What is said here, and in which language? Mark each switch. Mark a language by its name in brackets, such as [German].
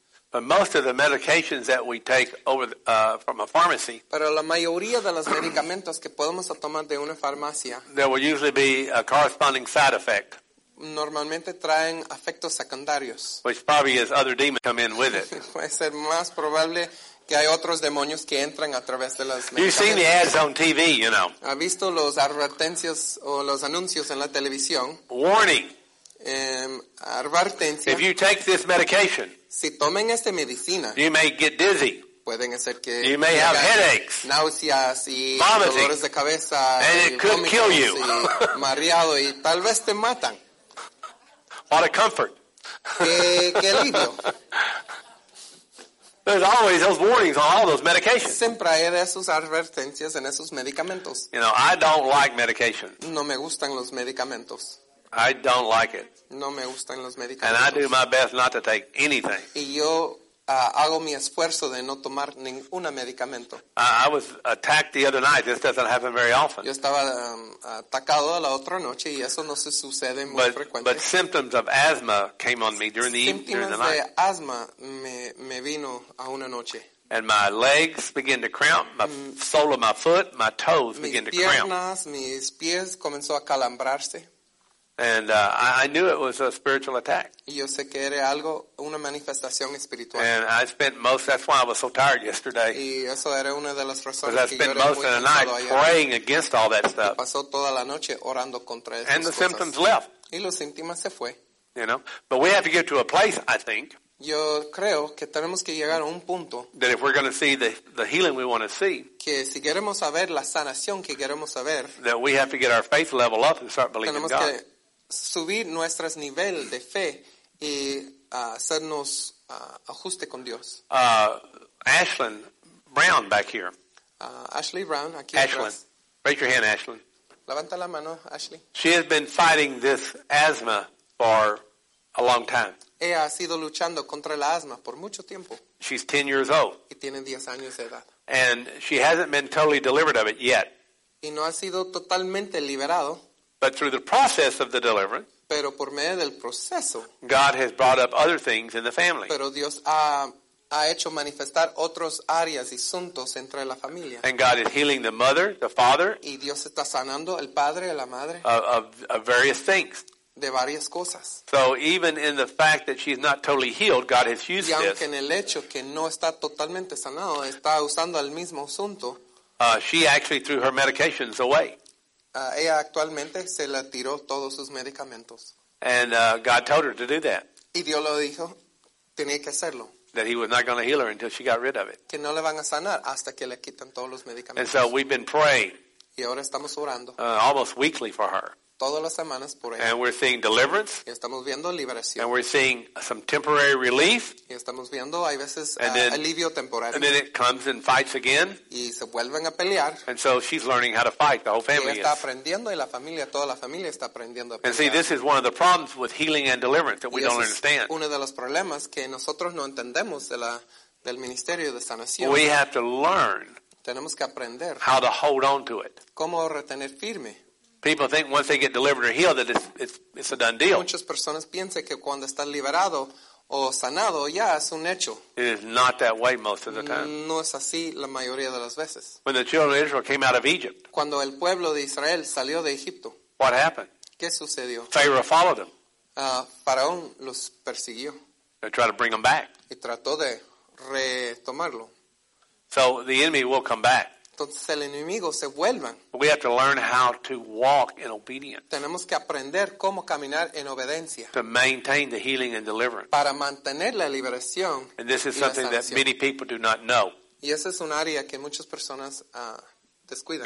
[English] But most of the medications that we take over from a pharmacy. [Spanish] Pero la mayoría de los medicamentos que podemos tomar de una farmacia. [English] There will usually be a corresponding side effect. [Spanish] Normalmente traen efectos secundarios. [English] Which probably is other demons come in with it. [Spanish] Puede ser más probable que hay otros demonios que entran a través de las. [English] You've seen the ads on TV, you know. [Spanish] Ha visto los advertencias o los anuncios en la televisión. [English] Warning. [Spanish] Advertencia. [English] If you take this medication. [Spanish] Si tomen esta medicina, [English] you may get dizzy. [Spanish] Pueden hacer que [English] you may have headaches, [Spanish] náuseas y [English] vomiting, [Spanish] dolores de cabeza, [English] and it could kill you. [Spanish] Y mareado y tal vez te matan. [English] What a comfort! [Spanish] Qué alivio. [English] There's always those warnings on all those medications. [Spanish] Siempre hay esas advertencias en esos medicamentos. [English] You know, I don't like medication. [Spanish] No me gustan los medicamentos. [English] I don't like it. [Spanish] No me gustan los [English] medicamentos. And I do my best not to take anything. [Spanish] Y yo hago mi esfuerzo de no tomar ninguna medicamento. [English] I was attacked the other night. This doesn't happen very often. [Spanish] Yo estaba atacado la otra noche y eso no se sucede muy frecuente. [English] But symptoms of asthma came on me during the evening, during the night. [Spanish] Síntomas de asma me vino a una noche. [English] And my legs begin to cramp. My sole of my foot, my toes begin to cramp. [Spanish] Mis piernas, mis pies comenzó a calambrarse. [English] And I knew it was a spiritual attack. [Spanish] Yo sé que era algo, una manifestación espiritual. [English] And I spent most, that's why I was so tired yesterday. [Spanish] Y eso era una de las razones [English] because I spent [Spanish] que [English] most of the night [Spanish] ayer. [English] Praying against all that stuff. [Spanish] Y pasó toda la noche orando contra esas [English] and the [Spanish] cosas. [English] Symptoms left. [Spanish] Y los síntomas se fue. [English] You know, but we have to get to a place, I think. [Spanish] Yo creo que tenemos que llegar a un punto [English] that if we're going to see the healing we want to see, [Spanish] que si queremos saber la sanación que queremos saber, [English] that we have to get our faith level up and start believing [Spanish] tenemos [English] God. [Spanish] Que subir nuestros niveles de fe y hacernos ajuste con Dios. [English] Ashlyn Brown back here. [Spanish] Ashley Brown, aquí [English] Ashlyn. [Spanish] Atrás. [English] Raise your hand, Ashlyn. [Spanish] Levanta la mano, Ashley. [English] She has been fighting this asthma for a long time. [Spanish] Ella ha sido luchando contra la asma por mucho tiempo. [English] She's 10 years old. [Spanish] Y tiene 10 años de edad. [English] And she hasn't been totally delivered of it yet. [Spanish] Y no ha sido totalmente liberado. [English] But through the process of the deliverance, [Spanish] pero por medio del proceso, [English] God has brought up other things in the family. [Spanish] Pero Dios ha hecho manifestar otros áreas y asuntos entre la familia. [English] And God is healing the mother, the father, [Spanish] y Dios está sanando el padre y la madre, [English] of various things. [Spanish] De varias cosas. [English] So even in the fact that she's not totally healed, God has used this. [Spanish] Y aunque en el hecho que no está totalmente sanado, está usando el mismo asunto. [English] She actually threw her medications away. [Spanish] Ella actualmente se la tiró todos sus medicamentos. [English] And God told her to do that. [Spanish] Y Dios lo dijo, tenía que hacerlo. [English] That he was not going to heal her until she got rid of it. [Spanish] Que no le van a sanar hasta que le quiten todos los medicamentos. [English] And so we've been praying. [Spanish] Y ahora estamos orando. [English] Almost weekly for her. [Spanish] Todas las semanas por ella. [English] And we're seeing deliverance. [Spanish] Y estamos viendo liberación. [English] And we're seeing some temporary relief. [Spanish] Y estamos viendo, hay veces, then, alivio temporario. [English] And then it comes and fights again. [Spanish] Y se vuelven a pelear. [English] And so she's learning how to fight. The whole family [Spanish] y está [English] is. [Spanish] Aprendiendo, y la familia, toda la familia está aprendiendo a pelear. [English] And see, this is one of the problems with healing and deliverance that we don't understand. [Spanish] Uno de los problemas que nosotros no entendemos de la, del ministerio de sanación. [English] We have to learn [Spanish] tenemos que aprender [English] how to hold on to it. [Spanish] Cómo retener firme. [English] People think once they get delivered or healed that it's a done deal. [Spanish] Muchas personas piensan que cuando está liberado o sanado ya es un hecho. [English] It is not that way most of the time. [Spanish] No es así la mayoría de las veces. [English] When the children of Israel came out of Egypt. [Spanish] Cuando el pueblo de Israel salió de Egipto. [English] What happened? [Spanish] ¿Qué sucedió? [English] Pharaoh followed them. [Spanish] Faraón los persiguió. [English] They tried to bring them back. [Spanish] Y trató de retomarlo. [English] So the enemy will come back. [Spanish] Entonces el enemigo se vuelva. [English] We have to learn how to walk in obedience. [Spanish] Tenemos que aprender cómo caminar en obediencia. [English] To maintain the healing and deliverance. [Spanish] Para mantener la liberación. [English] And this is something that many people do not know. [Spanish] Y esa es un área que muchas personas descuidan.